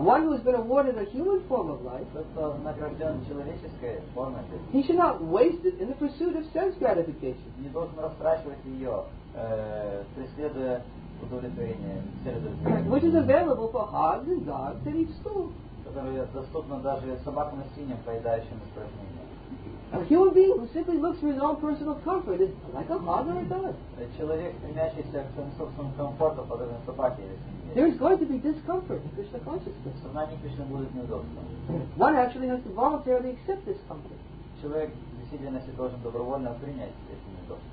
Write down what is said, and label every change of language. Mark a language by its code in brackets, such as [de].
[en] One who has been awarded a human form of life, [ru] награжден человеческой формой жизни, [en] he should not waste it in the pursuit of sense gratification. [ru] Не должен растрачивать ее, преследуя удовлетворение, цель удовлетворения. [en] Which is available for hogs and dogs and each stool. [ru] Которое доступно даже собакам и свиньям, поедающим испражнения. [en] A human being who simply looks for his own personal comfort is like a hog or a dog. [ru] Человек, стремящийся к своему собственному комфорту, подобен собаке. [en] There is going to be discomfort in Krishna consciousness. [ru] Сознание Кришны будет неудобно. [en] One actually has to voluntarily accept this comfort. [ru] Человек в действительности должен добровольно принять эти неудобства.